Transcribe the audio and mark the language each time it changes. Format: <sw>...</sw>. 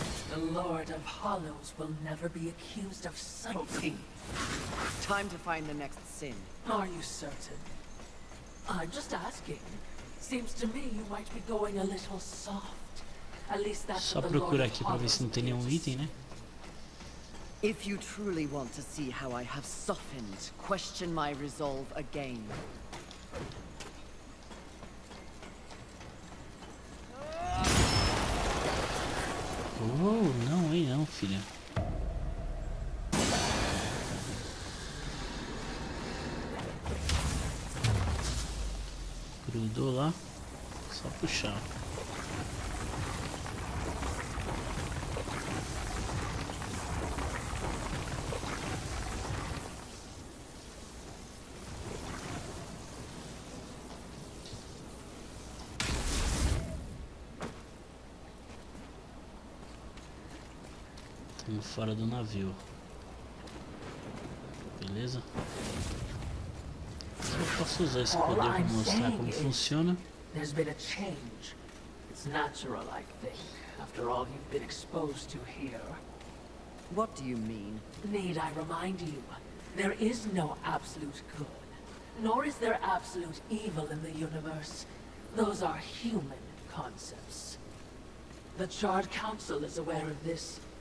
<en>The Lord of Hollows will never be accused of subtlety. Time to find the next sin. Are you certain? I'm just asking. Seems to me you might be going a little soft. At least that's</en> <pt>só procurar aqui pra ver se não tem nenhum item, né?</pt> <en>If you truly want to see how I have softened, question my resolve again.</en> <pt>Oh, não, hein, não, filha. Grudou lá, só puxar. Fora do navio, beleza? Eu posso usar esse poder para mostrar como funciona.</pt> <en>There's been a change. It's natural, I think, after all you've been exposed to here. What do you mean? Need I remind you? There is no absolute good, nor is there absolute evil in the universe. Those are human concepts. The Charred Council is aware of this.</en>